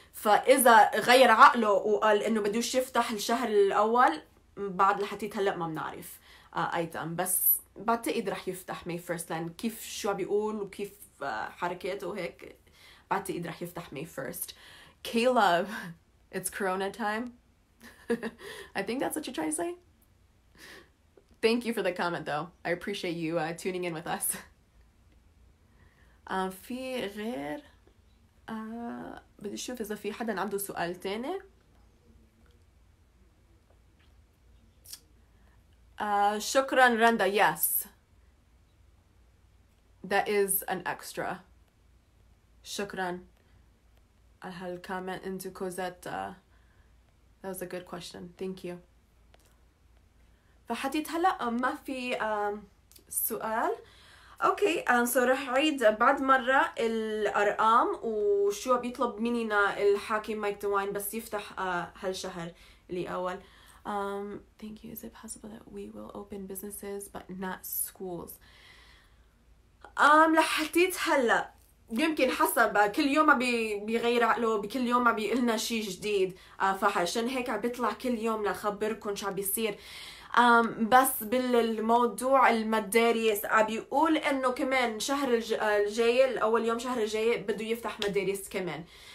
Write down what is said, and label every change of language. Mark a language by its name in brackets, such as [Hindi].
[Arabic] فاذا غير عقله وقال انه بدوش يفتح الشهر الاول بعد، لحطيت هلا ما بنعرف ايضا، بس بعتقد رح يفتح May 1st، لان كيف شو بيقول وكيف حركاته هيك بعتقد رح يفتح May 1st. [English] Caleb, it's Corona time. I think that's what you're trying to say. Thank you for the comment though. I appreciate you tuning in with us. [Arabic] في غير بدي اشوف اذا في حدا عنده سؤال تاني. شكرا رندا. [English] Yes. That is an extra. Shukran al hal comment into Cosette. That was a good question. Thank you. [Arabic] فحديت هلا ما في سؤال. [English] Okay, so [Arabic] رح عيد بعد مرة الأرقام وشو بيطلب مننا الحاكم مايك دوين بس يفتح هالشهر اللي أول. [English] Thank you. Is it possible that we will open businesses but not schools? [Arabic] لحديت هلا يمكن حسب كل يوم بيغير عقله، بكل يوم بيقلنا شيء جديد، فعشان هيك عم بيطلع كل يوم لخبركم شو عم بيصير. بس بالموضوع المدارس عم بيقول انه كمان شهر الجاي اول يوم شهر الجاي بده يفتح مدارس كمان.